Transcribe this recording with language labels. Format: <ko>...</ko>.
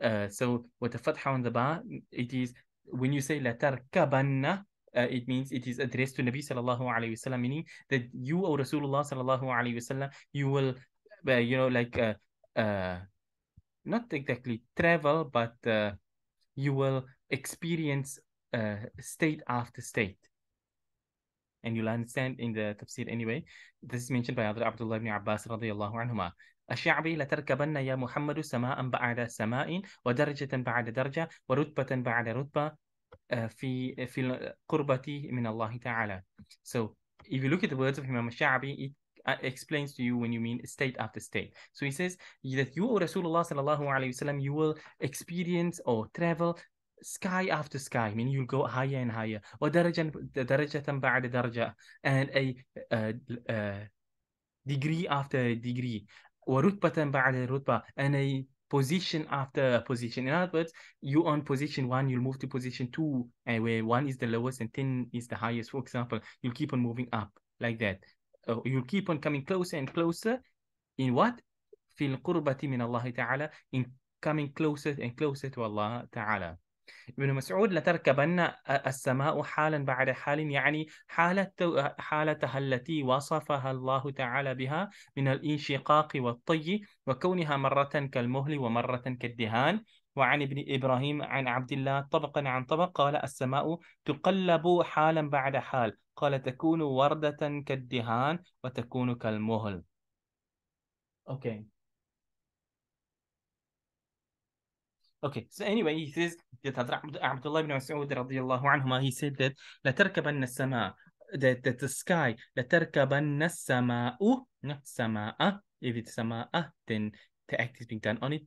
<en>So with the fatha on the ba, it is when you say latarkabunna, it means it is addressed to Nabi sallallahu alayhi wasallam, meaning that you or Rasulullah sallallahu alayhi wasallam, you will, you know, like, not exactly travel, but you will experience state after state. And you'll understand in the tafsir anyway. This is mentioned by Hadhrat Abdullah ibn Abbas radiyallahu anhuma.</en> <ar>الشعبي لتركبن يا محمد سماء بعد سماء ودرجة بعد درجة ورتبة بعد رتبة في قربتي من الله تعالى.</ar> <en>So if you look at the words of Imam al-Sha'bi, it explains to you when you mean state after state. So he says that you, O Rasulullah sallallahu alayhi wasallam, you will experience or travel sky after sky, meaning you'll go higher and higher.</en> <ar>ودرجة درجة بعد درجة,</ar> <en>and a degree after degree.</en> <ar>ورتبة بعد رتبة,</ar> <en>and a position after position. In other words, you on position one, you'll move to position two, and where one is the lowest and 10 is the highest, for example, you'll keep on moving up like that. You'll keep on coming closer and closer in what?</en> <ar>في القربة من الله تعالى,</ar> <en>in coming closer and closer to Allah تعالى.</en> <ar>ابن مسعود لتركبن السماء حالا بعد حال, يعني حالتها التي وصفها الله تعالى بها من الانشقاق والطي وكونها مرة كالمهل ومرة كالدهان. وعن ابن إبراهيم عن عبد الله طبقا عن طبق قال السماء تقلب حالا بعد حال, قال تكون وردة كالدهان وتكون كالمهل.</ar> <en>Okay. Okay, so anyway, he says that Abdullah ibn Mas'ud radiallahu anhuma, he said that latarkabanna samaa, that the sky, latarkabanna samaa'u, not samaa'a, if it's samaa'a, then the act is being done on it.</en>